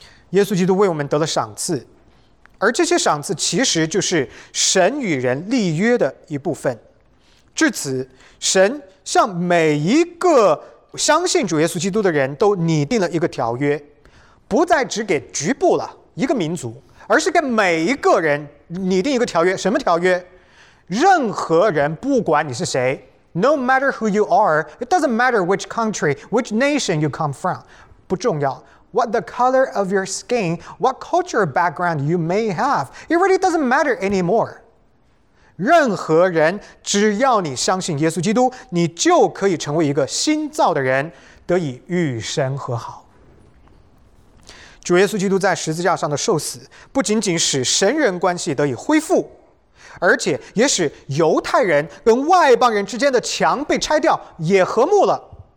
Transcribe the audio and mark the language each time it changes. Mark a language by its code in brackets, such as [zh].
[zh] 耶稣基督为我们得了赏赐，而这些赏赐其实就是神与人立约的一部分。至此，神向每一个相信主耶稣基督的人都拟定了一个条约，不再只给局部了一个民族，而是给每一个人拟定一个条约。什么条约？任何人，不管你是谁， [en] No matter who you are, it doesn't matter which country, which nation you come from, [zh] 不重要。 [en] What the color of your skin, what cultural background you may have, it really doesn't matter anymore. [zh] 任何人，只要你相信耶稣基督，你就可以成为一个新造的人，得以与神和好。主耶稣基督在十字架上的受死，不仅仅使神人关系得以恢复，而且也使犹太人跟外邦人之间的墙被拆掉，也和睦了。